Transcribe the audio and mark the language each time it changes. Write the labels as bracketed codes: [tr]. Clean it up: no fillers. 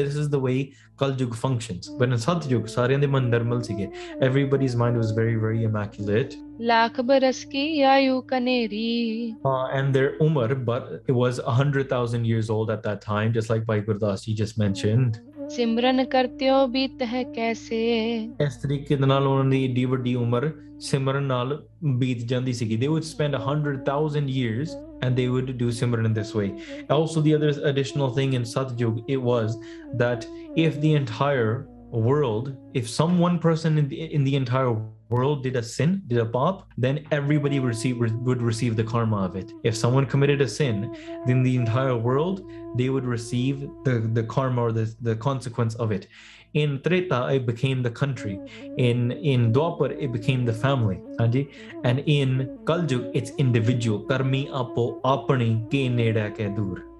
[en] This is the way Kaljug functions. But in Satyug, [pa] saryande man normal sige, [en] everybody's mind was very, very immaculate. [pa] Lakh baras ki ayu kaneri. [en] And their umar, but it was 100,000 years old at that time, just like Bhai Gurdas ji just mentioned. [pa] ਸਿਮਰਨ ਕਰਤੇ ਹੋ ਬੀਤ ਹੈ ਕੈਸੇ. ਇਸ ਤਰੀਕੇ ਦੇ ਨਾਲ ਉਹਨਾਂ ਦੀ ਏਡੀ ਵੱਡੀ ਉਮਰ ਸਿਮਰਨ ਨਾਲ ਬੀਤ ਜਾਂਦੀ ਸੀਗੀ. [en] They would spend 100,000 years and they would do simran in this way. Also the other additional thing in Satyug, it was that if the entire world, if some one person in the entire world did a sin, did a pop, then everybody would receive the karma of it. If someone committed a sin, then the entire world, they would receive the karma or the consequence of it. In Treta, it became the country. In Dwapar, it became the family. And in Kaljug, it's individual. [pa] Karmi apo apani ke neda ke dur.